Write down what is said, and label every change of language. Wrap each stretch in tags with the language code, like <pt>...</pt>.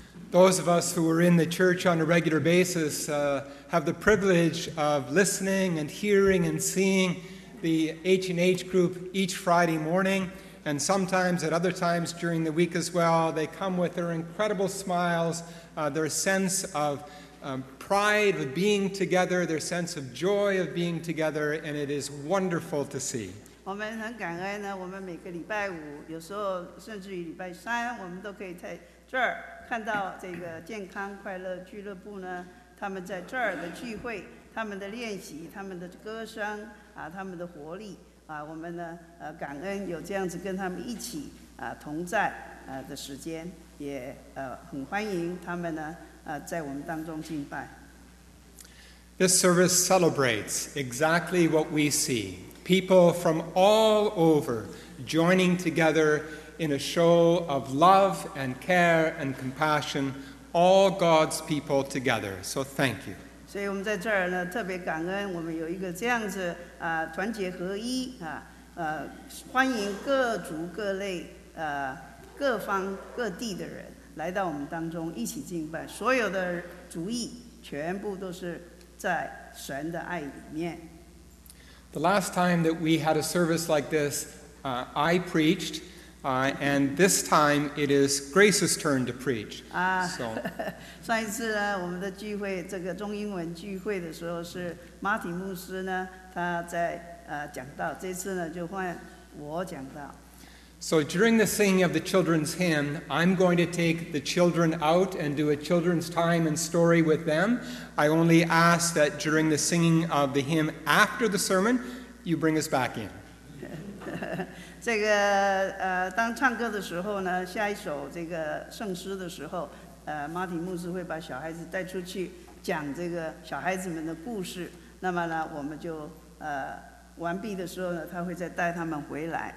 <en>Those of us who are in the church on a regular basis have the privilege of listening and hearing and seeing the H&H group each Friday morning, and sometimes at other times during the week as well. They come with their incredible smiles, their sense of pride of being together, their sense of joy of being together, and it is wonderful to see.</en> <zh>我们很感恩呢，我们每个礼拜五，有时候甚至于礼拜三，我们都可以在这儿看到这个健康快乐俱乐部呢，他们在这儿的聚会，他们的练习，他们的歌声啊，他们的活力啊，我们呢感恩有这样子跟他们一起啊同在的时间，也很欢迎他们呢在我们当中敬拜。</zh> <en>This service celebrates exactly what we see. People from all over joining together in a show of love and care and compassion, all God's people together. So thank you.</en> <zh>所以我们在这儿呢，特别感恩我们有一个这样子啊，团结合一啊，欢迎各族各类各方各地的人来到我们当中一起敬拜。所有的族裔全部都是在神的爱里面。</zh> <en>The last time that we had a service like this, I preached, and this time it is Grace's turn to preach.</en> <zh>啊，上一次呢，我们的聚会，这个中英文聚会的时候是 Martin 牧师呢，他在讲道。这次呢，就换我讲道。</zh> <en>So during the singing of the children's hymn, I'm going to take the children out and do a children's time and story with them. I only ask that during the singing of the hymn after the sermon, you bring us back in.</en> <zh>这个当唱歌的时候呢，下一首这个圣诗的时候，马丁牧师会把小孩子带出去讲这个小孩子们的故事。那么呢，我们就完毕的时候呢，他会再带他们回来。</zh>